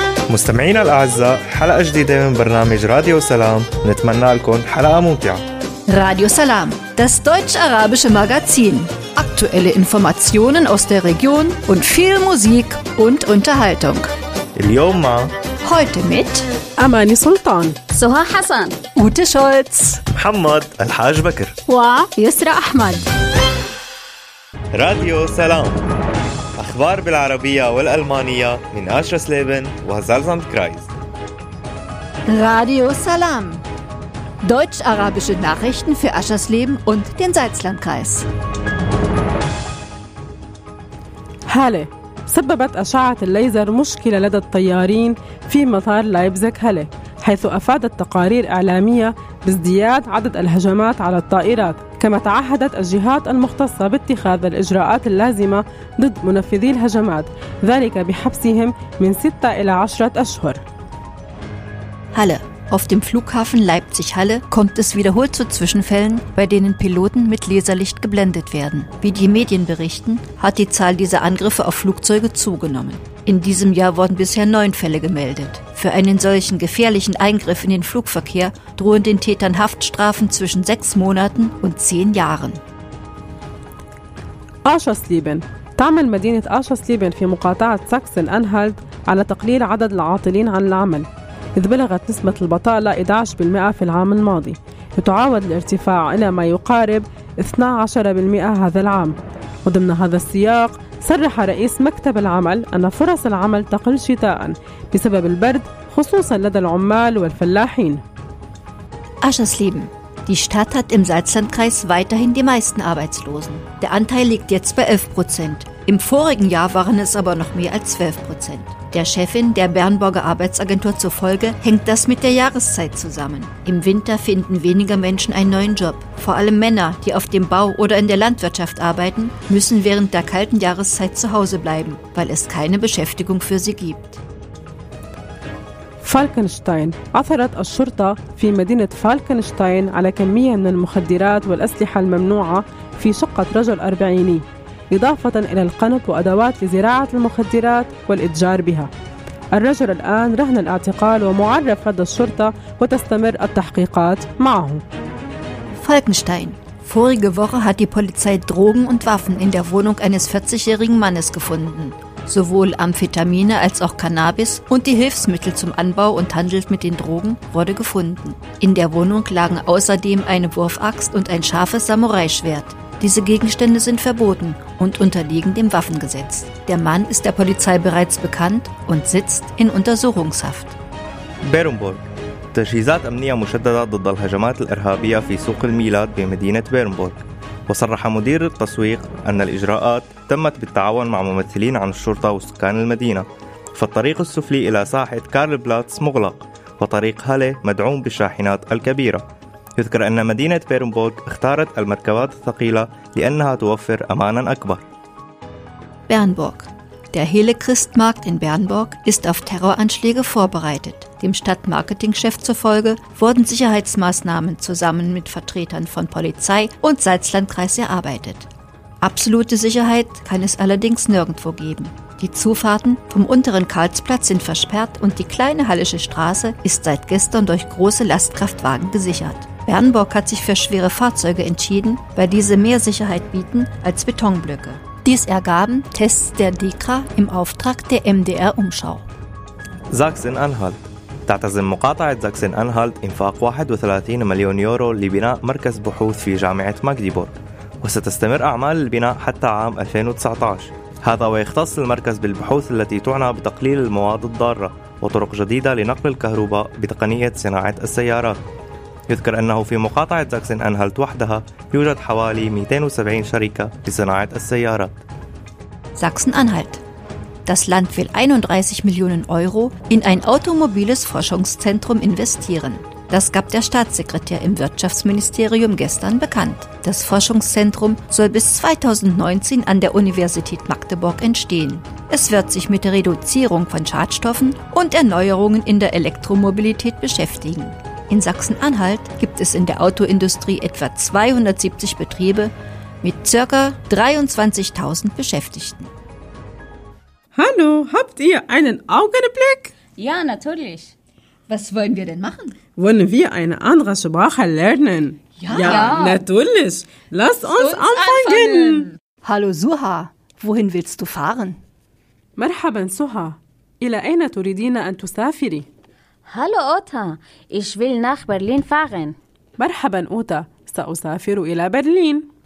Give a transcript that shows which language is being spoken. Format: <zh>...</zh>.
<ar>مستمعينا الأعزاء، حلقة جديدة من برنامج راديو سلام، نتمنى لكم حلقة ممتعة.</ar> <de>راديو سلام، das deutsch-arabische Magazin. Aktuelle Informationen aus der Region und viel Musik und Unterhaltung.</de> <ar>اليوم مع</ar> <de>Heute mit</de> <ar>أماني سلطان، سهى حسن، أوتي شولتز، محمد الحاج بكر، ويسرى أحمد. راديو سلام، أخبار بالعربية والألمانية من أشرة سليبن وزلزان كرايز.</ar> <de>راديو سلام، deutsch-arabische Nachrichten für Aschersleben und den Salzlandkreis.</de> <ar>هالة، سببت أشعة الليزر مشكلة لدى الطيارين في مطار لايبزيغ هالة، حيث أفادت تقارير إعلامية بازدياد عدد الهجمات على الطائرات، كما تعهدت الجهات المختصة باتخاذ الإجراءات اللازمة ضد منفذي الهجمات، ذلك بحبسهم من 6 إلى 10 أشهر.</ar> <de>هالة، Auf dem Flughafen Leipzig-Halle kommt es wiederholt zu Zwischenfällen, bei denen Piloten mit Laserlicht geblendet werden. Wie die Medien berichten, hat die Zahl dieser Angriffe auf Flugzeuge zugenommen. In diesem Jahr wurden bisher 9 Fälle gemeldet. Für einen solchen gefährlichen Eingriff in den Flugverkehr drohen den Tätern Haftstrafen zwischen 6 Monaten und 10 Jahren. Aschersleben.</de> <ar>تعمل مدينة Aschersleben في مقاطعة Sachsen-Anhalt على تقليل عدد العاطلين عن العمل. إذ بلغت نسبة البطالة 11% في العام الماضي، يتعاود الارتفاع إلى ما يقارب 12% هذا العام. وضمن هذا السياق، صرح رئيس مكتب العمل أن فرص العمل تقل شتاء بسبب البرد، خصوصا لدى العمال والفلاحين.</ar> <de>Aschersleben. Die Stadt hat im Salzlandkreis weiterhin die meisten Arbeitslosen. Der Anteil liegt jetzt bei 11%. Im vorigen Jahr waren es aber noch mehr als 12%. Der Chefin der Bernburger Arbeitsagentur zufolge hängt das mit der Jahreszeit zusammen. Im Winter finden weniger Menschen einen neuen Job. Vor allem Männer, die auf dem Bau oder in der Landwirtschaft arbeiten, müssen während der kalten Jahreszeit zu Hause bleiben, weil es keine Beschäftigung für sie gibt.</de> <ar>فالكنشتاين. عثرت الشرطة في مدينة فالكنشتاين على كمية من المخدرات والأسلحة الممنوعة في شقة رجل أربعيني، إضافة إلى القنط وأدوات لزراعة المخدرات والإتجار بها. الرجل الآن رهن الاعتقال ومعرف لدى الشرطة وتستمر التحقيقات معه. فالكنشتاين.</ar> <de>Vorige Woche hat die Polizei Drogen und Waffen in der Wohnung eines 40-jährigen Mannes gefunden. Sowohl Amphetamine als auch Cannabis und die Hilfsmittel zum Anbau und Handel mit den Drogen wurde gefunden. In der Wohnung lagen außerdem eine Wurfaxt und ein scharfes Samurai-Schwert. Diese Gegenstände sind verboten und unterliegen dem Waffengesetz. Der Mann ist der Polizei bereits bekannt und sitzt in Untersuchungshaft. Bernburg.</de> <ar>تجهيزات أمنية مشددة ضد الهجمات الإرهابية في سوق الميلاد بمدينة بيرنبورغ، وصرح مدير التسويق أن الإجراءات تمت بالتعاون مع ممثلين عن الشرطة وسكان المدينة، فالطريق السفلي إلى ساحة كارل بلاتس مغلق، وطريق هالي مدعوم بالشاحنات الكبيرة. يذكر أن مدينة بيرنبورغ اختارت المركبات الثقيلة لأنها توفر أماناً أكبر. بيرنبورغ.</ar> <de>Der Helechristmarkt in Bernburg ist auf Terroranschläge vorbereitet. Dem Stadtmarketingchef zufolge wurden Sicherheitsmaßnahmen zusammen mit Vertretern von Polizei und Salzlandkreis erarbeitet. Absolute Sicherheit kann es allerdings nirgendwo geben. Die Zufahrten vom unteren Karlsplatz sind versperrt und die kleine Hallische Straße ist seit gestern durch große Lastkraftwagen gesichert. Bernburg hat sich für schwere Fahrzeuge entschieden, weil diese mehr Sicherheit bieten als Betonblöcke. Dies ergaben Tests der DEKRA im Auftrag der MDR-Umschau. Sachsen-Anhalt.</de> <ar>تعتزم مقاطعة Sachsen-Anhalt إنفاق 31 مليون يورو لبناء مركز بحوث في جامعة ماجديبورغ، وستستمر أعمال البناء حتى عام 2019. هذا ويختص المركز بالبحوث التي تعنى بتقليل المواد الضارة وطرق جديدة لنقل الكهرباء بتقنية صناعة السيارات. يذكر أنه في مقاطعة ساكسن-أنهالت وحدها يوجد حوالي 270 شركة لصناعة السيارات.</ar> <de>Sachsen-Anhalt. Das Land will 31 Millionen Euro in ein automobiles Forschungszentrum investieren. Das gab der Staatssekretär im Wirtschaftsministerium gestern bekannt. Das Forschungszentrum soll bis 2019 an der Universität Magdeburg entstehen. Es wird sich mit der Reduzierung von Schadstoffen und Erneuerungen in der Elektromobilität beschäftigen. In Sachsen-Anhalt gibt es in der Autoindustrie etwa 270 Betriebe mit ca. 23.000 Beschäftigten. Hallo, habt ihr einen Augenblick? Ja, natürlich. Was wollen wir denn machen? Wollen wir eine andere Sprache lernen? Ja, natürlich. Lass uns anfangen. Hallo Suha, wohin willst du fahren?</de> <ar>مرحبا سوها. إلى أين تريدين أن تسافري؟</ar> <de>Hallo Ota, ich will nach Berlin fahren.</de> <ar>مرحبا Ota, سأسافر إلى برلين.</ar>